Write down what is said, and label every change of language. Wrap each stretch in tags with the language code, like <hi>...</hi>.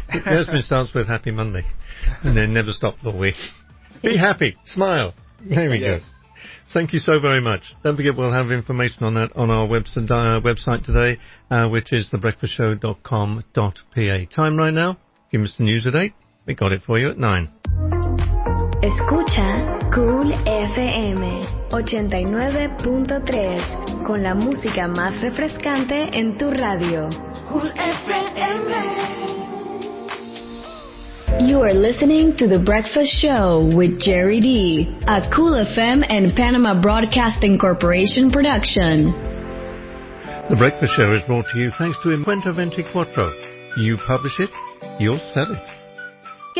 <en>It always starts with happy Monday, and then never stop the week. Be happy. Smile. There we go. Thank you so very much. Don't forget, we'll have information on that on our website today, which is thebreakfastshow.com.pa. Time right now. If you missed the news at 8, we got it for you at 9.</en> <es>Escucha Cool FM 89.3 con la música más refrescante en tu radio.</es> <en>Cool FM. You are listening to The Breakfast Show with Jerry D, a Cool FM and Panama Broadcasting Corporation production. The Breakfast Show is brought to you thanks to Encuentro 24. You publish it, you'll sell it.</en>